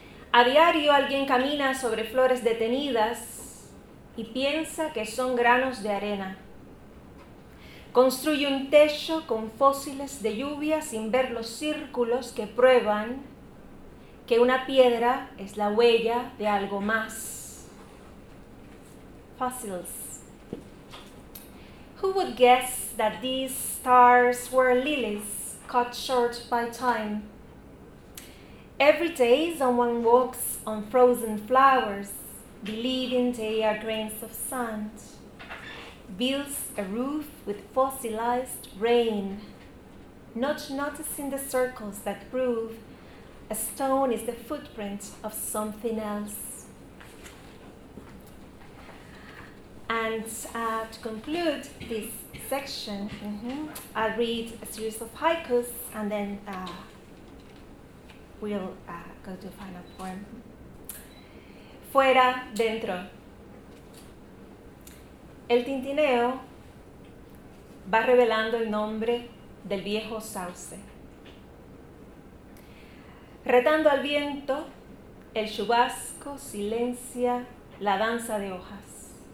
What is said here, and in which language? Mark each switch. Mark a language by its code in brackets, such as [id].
[es] A diario alguien camina sobre flores detenidas y piensa que son granos de arena. Construye un techo con fósiles de lluvia sin ver los círculos que prueban que una piedra es la huella de algo más. [en] Fossils. Who would guess that these stars were lilies cut short by time? Every day someone walks on frozen flowers, believing they are grains of sand, builds a roof with fossilized rain, not noticing the circles that prove a stone is the footprint of something else. And to conclude this section, I'll read a series of haikus and then we'll go to a final poem. [es] Fuera, dentro. El tintineo va revelando el nombre del viejo sauce. Retando al viento, el chubasco silencia la danza de hojas.